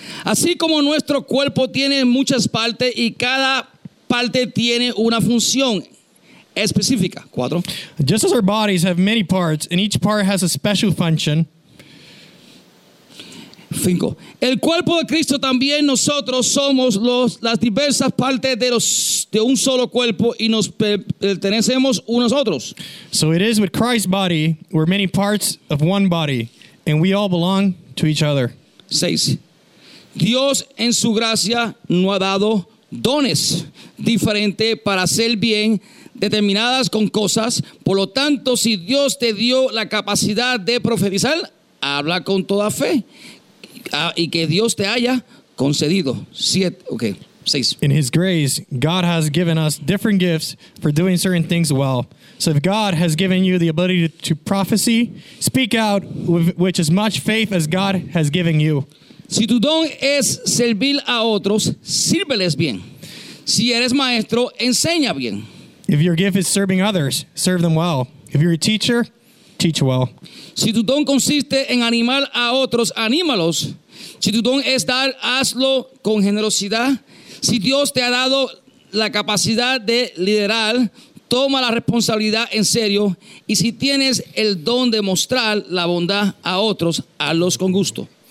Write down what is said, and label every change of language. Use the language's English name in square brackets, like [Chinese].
[Spanish] Así como nuestro cuerpo tiene muchas partes y cada parte tiene una función específica. Cuatro. [English] Just as our bodies have many parts and each part has a special function. [Spanish] Cinco. El cuerpo de Cristo también nosotros somos las diversas partes de un solo cuerpo y nos pertenecemos unos otros. [English] So it is with Christ's body, we're many parts of one body and we all belong to each other. [Spanish] Seis. Dios en su gracia nos ha dado dones diferentes para hacer bien determinadas con cosas. Por lo tanto, si Dios te dio la capacidad de profetizar, habla con toda fe y que Dios te haya concedido. Siete, okay, seis. [English] In his grace, God has given us different gifts for doing certain things well. So if God has given you the ability to prophesy, speak out with as much faith as God has given you. [Spanish] Si tu don es servir a otros, sírveles bien. Si eres maestro, enseña bien. [English] If your gift is serving others, serve them well. If you're a teacher, teach well. [Spanish] Si tu don consiste en animar a otros, anímalos. Si tu don es dar, hazlo con generosidad. Si Dios te ha dado la capacidad de liderar, toma la responsabilidad en serio. Y si tienes el don de mostrar la bondad a otros, hazlos con gusto.